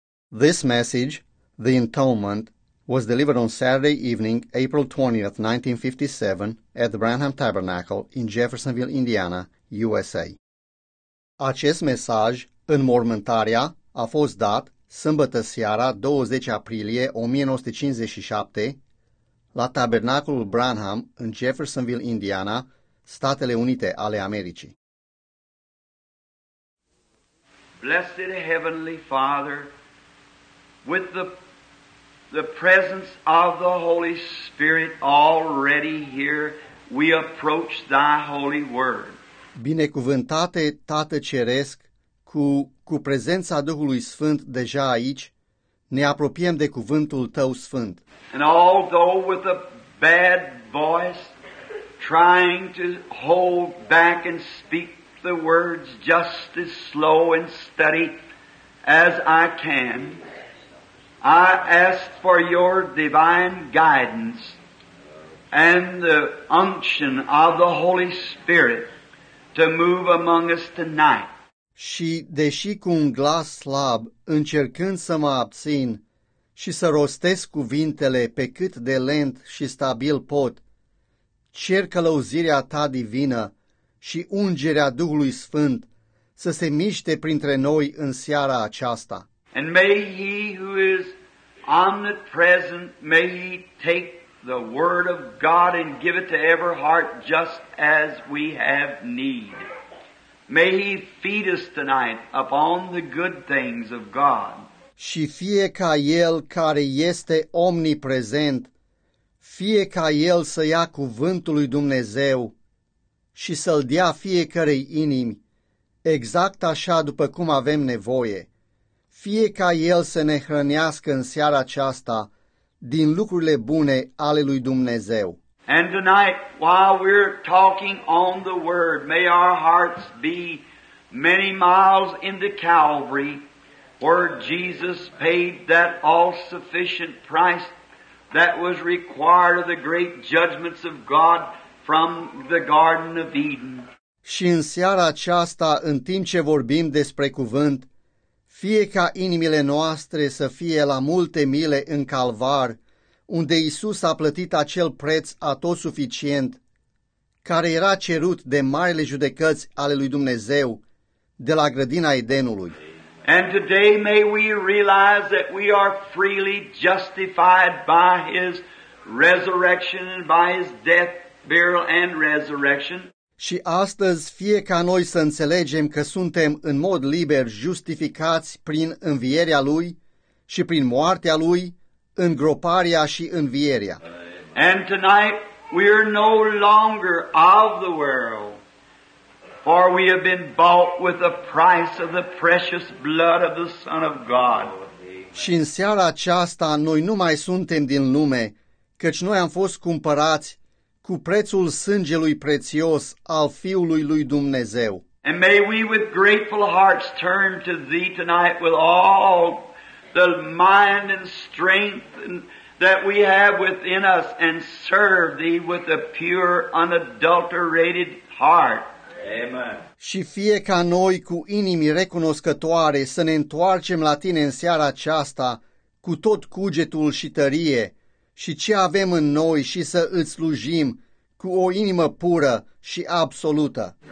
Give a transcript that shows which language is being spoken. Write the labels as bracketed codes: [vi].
[en] This message, The Atonement, was delivered on Saturday evening, April 20th, 1957, at the Branham Tabernacle in Jeffersonville, Indiana, USA. [ro] Acest mesaj, înmormântarea, a fost dat sâmbătă seara, 20 aprilie 1957, la Tabernacolul Branham în Jeffersonville, Indiana, Statele Unite ale Americii. [en] Blessed Heavenly Father, with the presence of the Holy Spirit already here, we approach Thy Holy Word. [ro] Binecuvântate Tată Ceresc, cu prezența Duhului Sfânt deja aici, ne apropiem de cuvântul Tău Sfânt. [en] And although with a bad voice, trying to hold back and speak the words just as slow and steady as I can, I ask for your divine guidance and the unction of the Holy Spirit to move among us tonight. [ro] Și deși cu un glas slab, încercând să mă abțin și să rostesc cuvintele pe cât de lent și stabil pot, cer călăuzirea ta divină și ungerea Duhului Sfânt să se miște printre noi în seara aceasta. [en] And may he who is omnipresent, may he take the word of God and give it to every heart just as we have need. May he feed us tonight upon the good things of God. [ro] Și fie ca el care este omniprezent, fie ca el să ia cuvântul lui Dumnezeu și să-l dea fiecărei inimi, exact așa după cum avem nevoie, fie ca el să ne hrănească în seara aceasta din lucrurile bune ale lui Dumnezeu. [en] And tonight, while we're talking on the Word, may our hearts be many miles into Calvary, where Jesus paid that all-sufficient price that was required of the great judgments of God from the Garden of Eden. [ro] Și în seara aceasta, în timp ce vorbim despre cuvânt, fie ca inimile noastre să fie la multe mile în Calvar, unde Iisus a plătit acel preț atotsuficient, care era cerut de marile judecăți ale lui Dumnezeu, de la grădina Edenului. [en] And today may we realize that we are freely justified by his resurrection and by his death, burial and resurrection. [ro] Și astăzi fie ca noi să înțelegem că suntem în mod liber justificați prin învierea lui și prin moartea lui, îngroparea și învierea. [en] And tonight we are no longer of the world, for we have been bought with the price of the precious blood of the Son of God. [ro] Și în seara aceasta noi nu mai suntem din lume, căci noi am fost cumpărați cu prețul sângelui prețios al Fiului lui Dumnezeu. [en] And may we with grateful hearts turn to Thee tonight with all the mind and strength that we have within us and serve Thee with a pure, unadulterated heart. Amen. [ro] Și fie ca noi cu inimi recunoscătoare să ne întoarcem la Tine în seara aceasta cu tot cugetul și tărie, și ce avem în noi și să îți slujim cu o inimă pură și absolută.